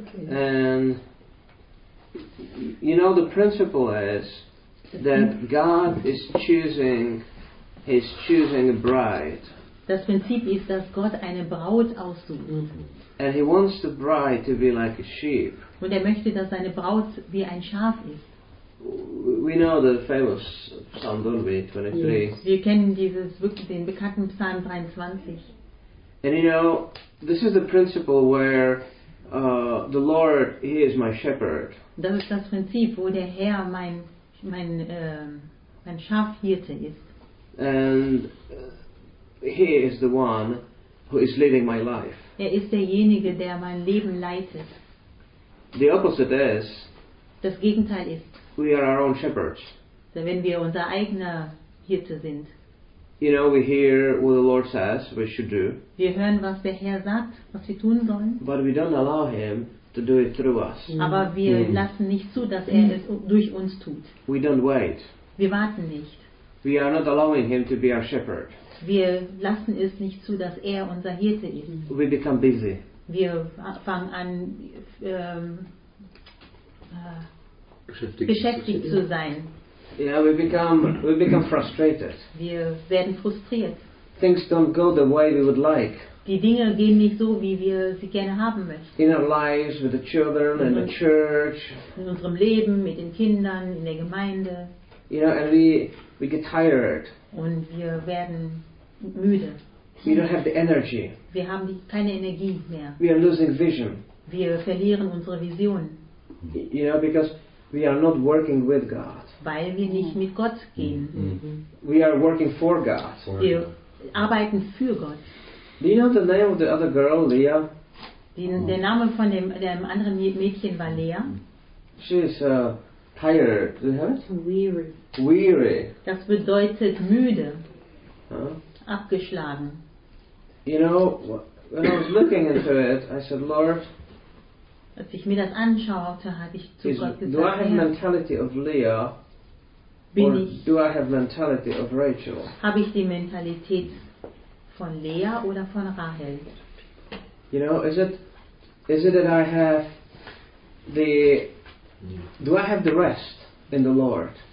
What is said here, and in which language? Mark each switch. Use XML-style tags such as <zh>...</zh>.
<en>And you know, the principle is that God is choosing a bride.</en> <de>Das Prinzip ist, dass Gott eine Braut aussucht.</de> <en>And he wants the bride to be like a sheep.</en> <de>Und möchte, dass seine Braut wie ein Schaf ist.</de> <en>We know the famous Psalm 23.</en> <de>Wir kennen dieses wirklich den bekannten Psalm 23.</de> <en>And you know, this is the principle where the Lord, He is my shepherd.</en> <de>Das ist das Prinzip, wo der Herr mein Schafhirte ist.</de> <en>And He is the one who is leading my life.</en> <de>Ist derjenige, der mein Leben leitet.</de> <en>The opposite is.</en> <de>Das Gegenteil ist.</de> <en>We are our own shepherds.</en> <de>So wenn wir unser eigener Hirte sind.</de> <en>You know, we hear what the Lord says we should do.</en> <de>Wir hören, was der Herr sagt, was wir tun sollen.</de> <en>But we don't allow Him to do it through us.</en> <de>Aber wir lassen nicht zu, dass Er es durch uns tut.</de> <en>We don't wait.</en> <de>Wir warten nicht.</de> <en>We are not allowing Him to be our shepherd.</en> <de>Wir lassen es nicht zu, dass Er unser Hirte ist.</de> <en>We become busy.</en> <de>Wir fangen an, beschäftigt zu sein.</de> <en>Yeah, we become frustrated.</en> <de>Wir werden frustriert.</de> <en>Things don't go the way we would like.</en> <de>Die Dinge gehen nicht so, wie wir sie gerne haben möchten.</de> <en>In our lives, with the children, in the church.</en> <de>In unserem Leben, mit den Kindern, in der Gemeinde.</de> <en>You know, and we get tired.</en> <de>Und wir werden müde.</de> <en>We don't have the energy.</en> <de>Wir haben keine Energie mehr.</de> <en>We are losing vision.</en> <de>Wir verlieren unsere Vision.</de> <en>You know, because we are not working with God.</en> <de>Weil wir nicht mit Gott gehen.</de> <en>We are working for God.</en> <de>Wir arbeiten für Gott.</de> <en>Do you know the name of the other girl, Leah?</en> <de>Der Name von dem anderen Mädchen war Leah.</de> <en>She is tired. Do you have it? Weary. Weary.</en> <de>Das bedeutet müde. Huh? Abgeschlagen.</de> <en>You know, when I was looking into it, I said, Lord,</en> <de>als ich mir das anschaute, habe ich zu Gott gesagt,</de> <en>do I have mentality of Leah,</en> <de>bin</de> <en>or do I have mentality of Rachel?</en> <de>Habe ich die Mentalität von Leah oder von Rachel?</de> <en>You know, is it that I have do I have the rest in the Lord?</en>